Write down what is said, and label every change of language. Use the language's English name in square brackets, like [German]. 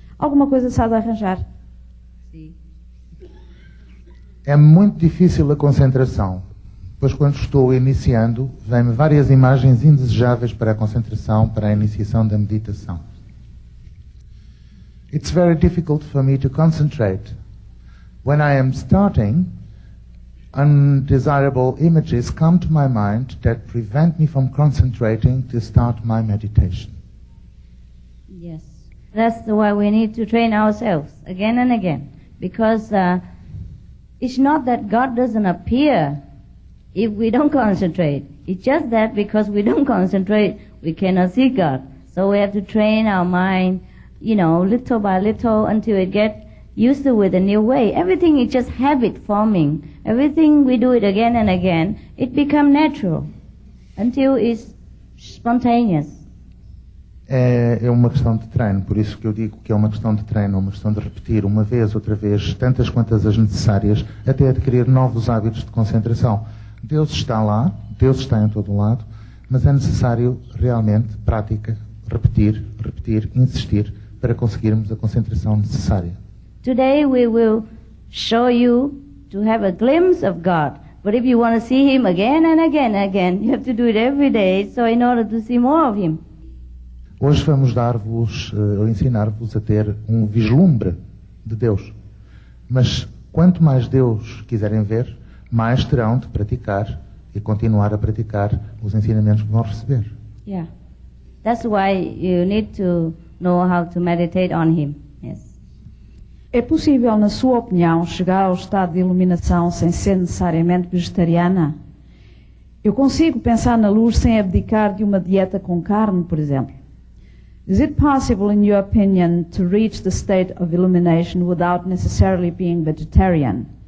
[Portuguese] Alguma coisa sabe arranjar? Sim. É muito difícil a concentração. Pois quando estou iniciando, vêm-me várias imagens indesejáveis para a concentração, para a iniciação da meditação. [English] It's very difficult for me to concentrate. When I am starting, undesirable images come to my mind that prevent me from concentrating to start my meditation. Yes, that's why we need to train ourselves again and again. Because it's not that God doesn't appear if we don't concentrate. It's just that because we don't concentrate, we cannot see God. So we have to train our mind, you know, little by little, until we get used to with a new way. Everything is just habit forming. Everything, we do it again and again, it becomes natural, until it's spontaneous. [Portuguese] É uma questão de treino, por isso que eu digo que é uma questão de treino, uma questão de repetir uma vez, outra vez, tantas quantas as necessárias, até adquirir novos hábitos de concentração. Deus está lá, Deus está em todo lado, mas é necessário realmente prática, repetir, repetir, insistir, para conseguirmos a concentração necessária. [English] Today we will show you to have a glimpse of God. But if you want to see him again and again and again, you have to do it every day, so in order to see more of him. [Portuguese] Hoje vamos dar-vos, ou ensinar-vos a ter um vislumbre de Deus. Mas quanto mais Deus quiserem ver, mais terão de praticar e continuar a praticar os ensinamentos que vão receber. [English] Yeah. That's why you need to know how to meditate on him. Yes. [Portuguese] É possível, na sua opinião, chegar ao estado de iluminação sem ser necessariamente vegetariana? Eu consigo pensar na luz sem abdicar de uma dieta com carne, por exemplo. [English] Is it possible, in your opinion, to reach the state of illumination without necessarily being vegetarian?